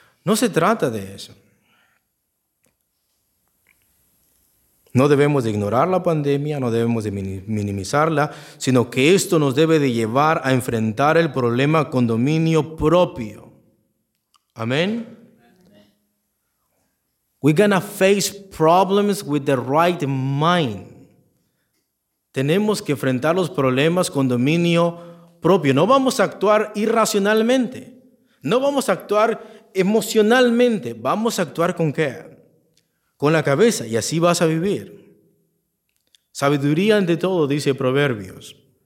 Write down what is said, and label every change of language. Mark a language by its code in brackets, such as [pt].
[es] No se trata de eso. No debemos de ignorar la pandemia, no debemos de minimizarla, sino que esto nos debe de llevar a enfrentar el problema con dominio propio. Amén. [en] We're gonna face problems with the right mind. [es] Tenemos que enfrentar los problemas con dominio propio. No vamos a actuar irracionalmente. No vamos a actuar emocionalmente. ¿Vamos a actuar con qué? Con la cabeza, y así vas a vivir. Sabiduría ante todo, dice Proverbios.